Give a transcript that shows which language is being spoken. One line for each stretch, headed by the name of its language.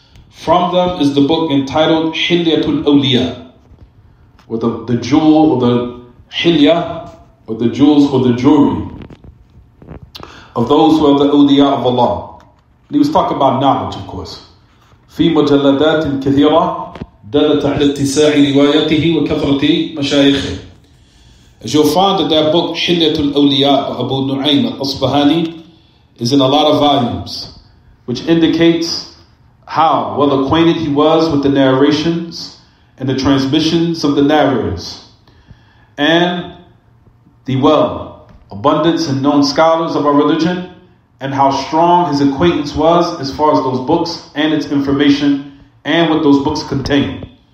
English: From them is the book entitled Hilyatul Awliya, or the jewel or the hilya, or the jewels or the jewelry of those who are the awliya of Allah. And he was talking about knowledge, of course.
Arabic: في مجلدات كثيرة دلت على اتساع روايته وكثرة مشايخه.
English: As you'll find that that book, Hilyatul Awliya of Abu Nu'aym al-Asbahani, is in a lot of volumes, which indicates how well acquainted he was with the narrations and the transmissions of the narrators, and the well abundance and known scholars of our religion, and how strong his acquaintance was as far as those books and its information and what those books contain.